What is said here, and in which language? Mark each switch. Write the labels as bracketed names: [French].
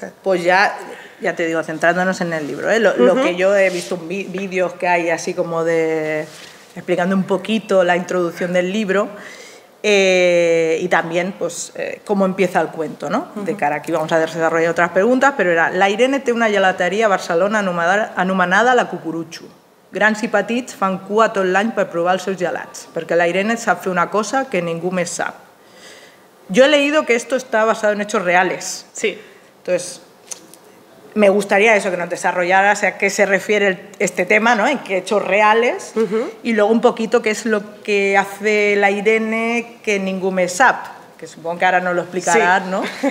[Spanish] Pues ya te digo, centrándonos en el libro, ¿eh? Lo que yo he visto en vídeos que hay así como de explicando un poquito la introducción del libro y también pues, cómo empieza el cuento, ¿no? Uh-huh. De cara aquí vamos a desarrollar otras preguntas, pero era [Catalan] la Irene té una gelateria a Barcelona anomenada la Cucurutxo. Grans i petits fan cua tot l'any per provar els seus gelats, perquè la Irene sap fer una cosa que ningú més sap. [Spanish] Yo he leído que esto está basado en hechos reales. Sí. Entonces, me gustaría eso, que nos desarrollaras a qué se refiere este tema, ¿no? En qué hechos reales. Uh-huh. Y luego un poquito qué es lo que hace la Irene que ningún mes up, que supongo que ahora nos lo explicarás, sí, ¿no?